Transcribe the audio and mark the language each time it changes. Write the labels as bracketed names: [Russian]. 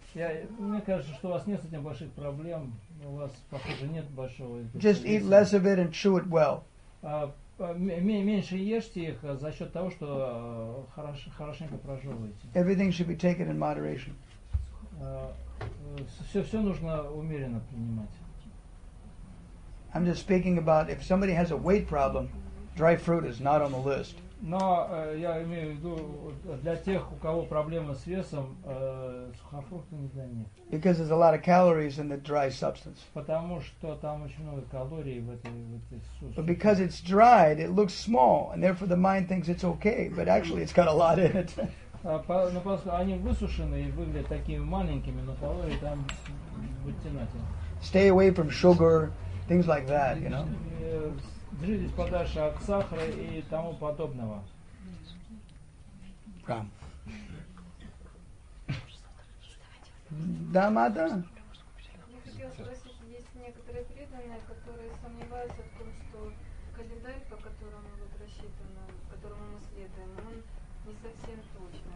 [Russian] Мне кажется, что у вас нет с этим больших проблем. У вас, похоже, нет большого... [English] Just eat less of it and chew it well. [Russian] Меньше ешьте их за счет того, что хорошенько прожевываете. [English] Everything should be taken in moderation. [Russian] Все нужно умеренно принимать. [English] I'm just speaking about if somebody has a weight problem, dry fruit is not on the list. [Russian] Но я имею в виду для тех, у кого проблемы с весом, сухофрукты не для них. [English] Because there's a lot of calories in the dry substance. [Russian] Потому что там очень много калорий в этой сушке. [English] But because it's dried, it looks small, and therefore the mind thinks it's okay, but actually it's got a lot in it. [Russian] Но поскольку они высушены и выглядят такими маленькими, но калории там вытянуты. [English] Stay away from sugar, things like that, you know. [Russian] Держитесь подальше от сахара и тому подобного. Прям. Да, мада? Я хотела спросить, есть некоторые преданные, которые сомневаются в том, что календарь, по которому вот рассчитано, которому мы следуем, он не совсем точный.